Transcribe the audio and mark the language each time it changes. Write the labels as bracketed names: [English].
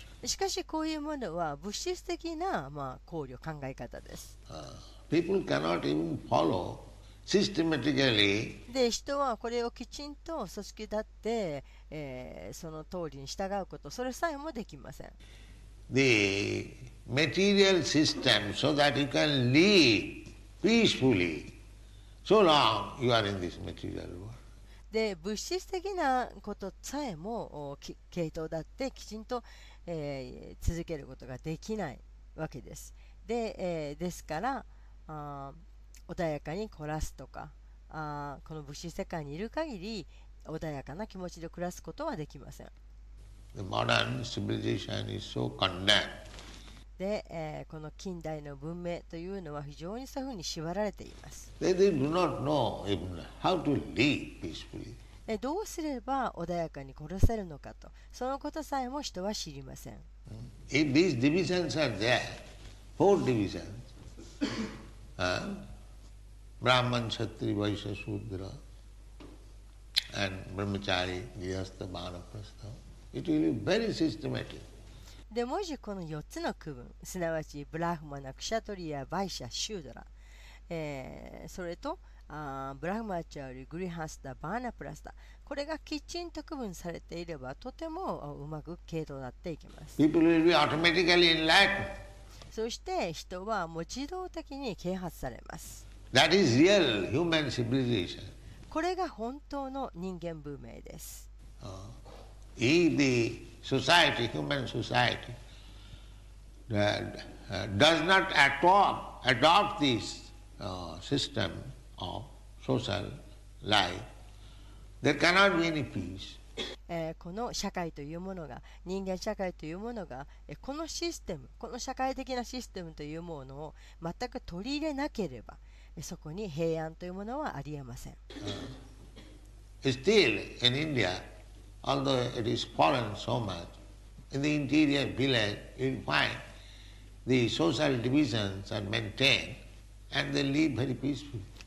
[Japanese] しかし、こういうものは物質的な、考慮、考え方です。 [English] People cannot even follow systematically. [Japanese] で、人はこれをきちんと組織立って、その通りに従うこと、それさえもできません。 [English] The material system so that you can live peacefully so long you are in this material world. [Japanese] で、物質的なことさえも系統だってきちんと、続けることができないわけです。で、ですから、穏やかに暮らすとか、この物質世界にいる限り、穏やかな気持ちで暮らすことはできません。 [English] The modern civilization is so condemned. [Japanese] で、この近代の文明というのは非常にそういうふうに縛られています。 [English] They do not know even how to lead peacefully. [Japanese] どうすれば穏やかに殺せるのかと、そのことさえも人は知りません。 [English] If these divisions are there, four divisions, Brahman, Kshatri, Vaishya, Shudra, and Brahmachari, Grihastha, Vanaprastha, it will be very systematic. [Japanese] でもしこの4つの区分、すなわちブラフマナ、クシャトリア、バイシャ、シュードラ、それとブラフマチャーリ、グリハスタ、バーナプラスタ、これがきちんと区分されていれば、とてもうまく系統になっていきます。 [English] People will be automatically enlightened. [Japanese] そして人は自動的に啓発されます。 [English] That is real human civilization. [Japanese] これが本当の人間文明です。 [English] Society, human society, does not at all adopt this system of social life, there cannot be any peace. [Japanese] この社会というものが、人間社会というものが、このシステム、この社会的なシステムというものを全く取り入れなければ、そこに平安というものはありえません。 [English] Still, in India, although it is fallen so much,In the interior village, you find the social divisions are maintained, and they live very peacefully.